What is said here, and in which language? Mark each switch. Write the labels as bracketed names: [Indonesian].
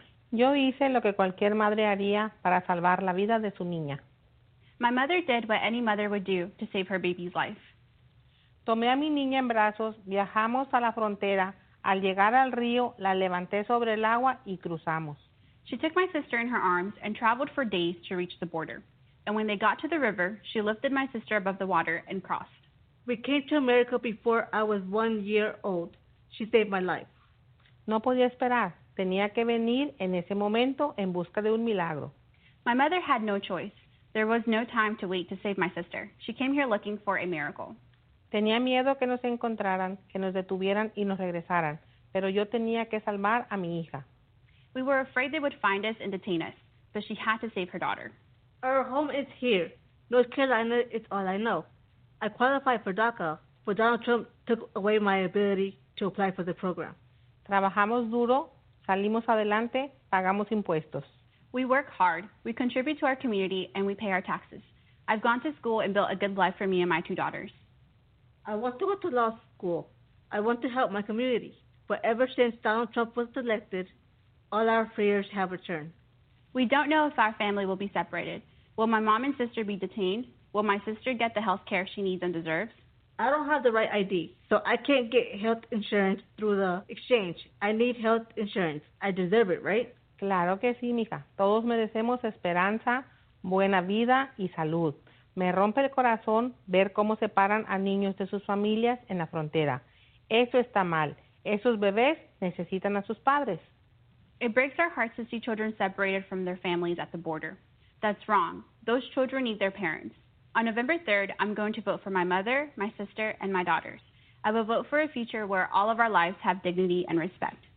[Spanish] Yo hice lo que cualquier madre haría para salvar la vida de su niña. [English] My mother did what any mother would do to save her baby's life. [Spanish] Tomé a mi niña en brazos, viajamos a la frontera. Al llegar al río, la levanté sobre el agua y cruzamos. [English] She took my sister in her arms and traveled for days to reach the border. And when they got to the river, she lifted my sister above the water and crossed. We came to America before I was 1 year old. She saved my life. [Spanish] No podía esperar. Tenía que venir en ese momento en busca de un milagro. [English] My mother had no choice. There was no time to wait to save my sister. She came here looking for a miracle. [Spanish] Tenía miedo que nos encontraran, que nos detuvieran y nos regresaran, pero yo tenía que salvar a mi hija. [English] We were afraid they would find us and detain us, but she had to save her daughter. Our home is here. North Carolina is all I know. I qualified for DACA, but Donald Trump took away my ability to apply for the program. [Spanish] Trabajamos duro, salimos adelante, pagamos impuestos. [English] We work hard, we contribute to our community, and we pay our taxes. I've gone to school and built a good life for me and my two daughters. I want to go to law school. I want to help my community. But ever since Donald Trump was elected, all our fears have returned. We don't know if our family will be separated. Will my mom and sister be detained? Will my sister get the health care she needs and deserves? I don't have the right ID, so I can't get health insurance through the exchange. I need health insurance. I deserve it, right? [Spanish] Claro que sí, mija. Todos merecemos esperanza, buena vida y salud. Me rompe el corazón ver cómo separan a niños de sus familias en la frontera. Eso está mal. Esos bebés necesitan a sus padres. [English] It breaks our hearts to see children separated from their families at the border. That's wrong. Those children need their parents. On November 3rd, I'm going to vote for my mother, my sister, and my daughters. I will vote for a future where all of our lives have dignity and respect.